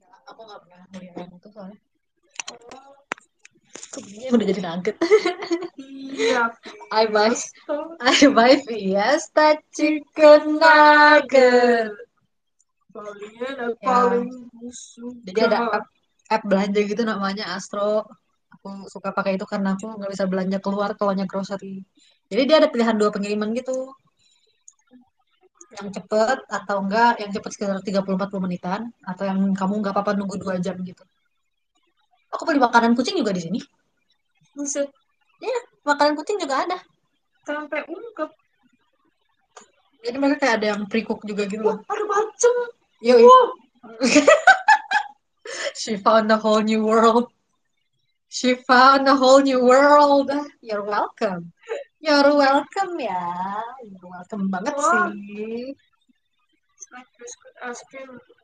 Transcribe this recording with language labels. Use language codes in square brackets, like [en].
[id] Aku nggak pernah melihat yang itu soalnya. Ini udah jadi nugget. Iya. [en] I buy Fiesta chicken nugget. [id] Kalian yang paling suka. Jadi ada app belanja gitu namanya Astro. Aku suka pakai itu karena aku nggak bisa belanja keluar kalau hanya grocery. Jadi dia ada pilihan dua pengiriman gitu. Yang cepet atau enggak, yang cepet sekitar 30-40 menitan. Atau yang kamu nggak apa-apa nunggu 2 jam gitu. Aku beli makanan kucing juga di sini. Maksud? Iya, makanan kucing juga ada. Sampai ungkep. Jadi mereka kayak ada yang pre-cook juga gitu. Wah, ada macem. Yoi. Wow. [en] She found a whole new world. She found a whole new world. You're welcome. You're welcome ya. You're welcome [id] banget sih. [en] It's like biscuit ice cream.